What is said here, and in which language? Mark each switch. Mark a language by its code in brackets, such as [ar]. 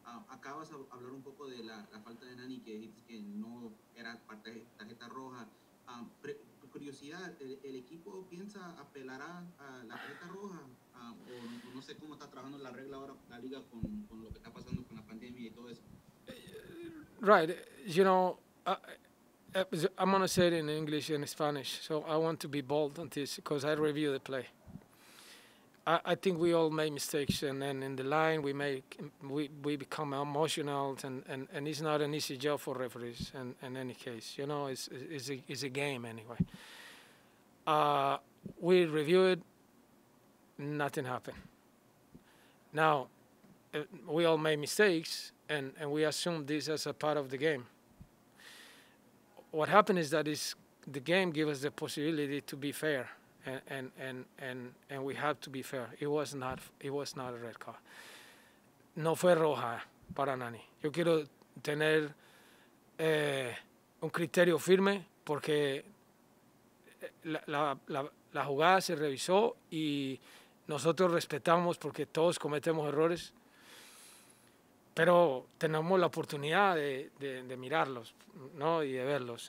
[es] Acabas de hablar un poco de la falta de Nani, que dijiste que no era parte de tarjeta roja. Curiosidad, ¿el equipo piensa apelar a la tarjeta roja? O no sé cómo está trabajando la regla ahora la liga con lo que está pasando con la pandemia y todo eso. [en] Right, you know, I'm going to say it in English and Spanish, so I want to be bold on this because I review the play. I think we all make mistakes, and then in the line we become emotional, and it's not an easy job for referees in any case. You know, it's a game anyway. We reviewed, nothing happened. Now, we all make mistakes, and we assume this as a part of the game. what happened is that is the game gave us the possibility to be fair, and we have to be fair. It was not a red card. [es] No fue roja para Nani. Yo quiero tener un criterio firme porque la jugada se revisó y nosotros respetamos porque todos cometemos errores, pero tenemos la oportunidad de mirarlos, ¿no? Y de verlos.